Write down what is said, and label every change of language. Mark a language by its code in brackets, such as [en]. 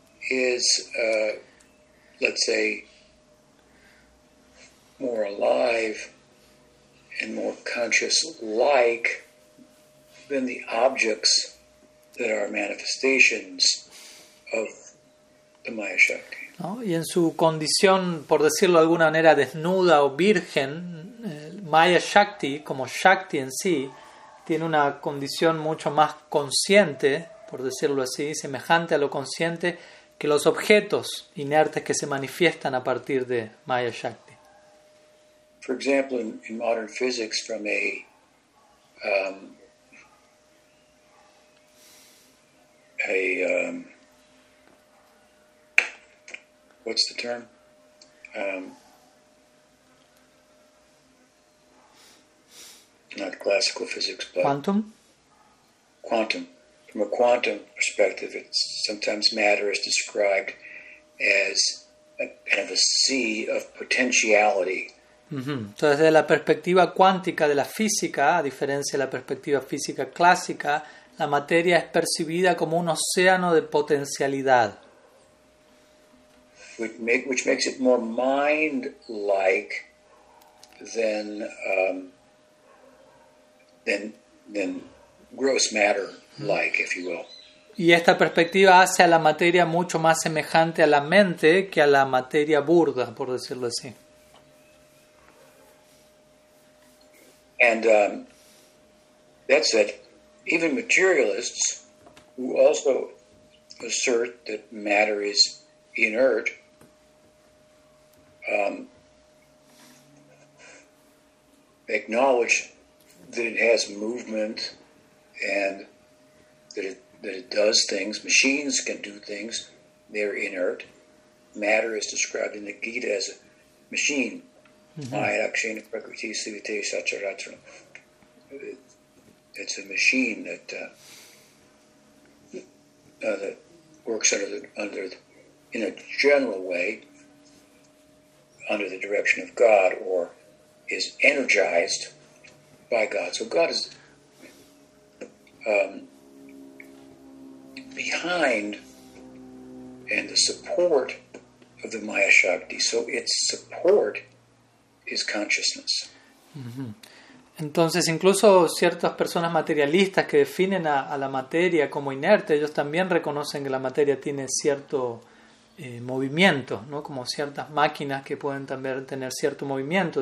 [en] is, let's say, more alive and more conscious-like than the objects that are manifestations of the Maya Shakti. [es] ¿No? Y en su condición, por decirlo de alguna manera, desnuda o virgen, Maya Shakti, como Shakti en sí, tiene una condición mucho más consciente, por decirlo así, semejante a lo consciente, que los objetos inertes que se manifiestan a partir de Maya Shakti. [en] Okay. For example, in modern physics, from a what's the term? Not classical physics, but quantum. From a quantum perspective, it's sometimes matter is described as a kind of a sea of potentiality. [es] Entonces, desde la perspectiva cuántica de la física, a diferencia de la perspectiva física clásica, la materia es percibida como un océano de potencialidad. [en] Which makes it more mind-like than gross matter-like, if you will. [es] Y esta perspectiva hace a la materia mucho más semejante a la mente que a la materia burda, por decirlo así. [en] And that said, even materialists who also assert that matter is inert, acknowledge that it has movement and that it does things. Machines can do things. They're inert. Matter is described in the Gita as a machine. Mm-hmm. It's a machine that that works in a general way under the direction of God, or is energized by God. So God is behind and the support of the Maya Shakti. So its support is consciousness. Mm-hmm. [es] Entonces, incluso ciertas personas materialistas que definen a la materia como inerte, ellos también reconocen que la materia tiene cierto movimiento, ¿no? Como ciertas máquinas que pueden también tener cierto movimiento.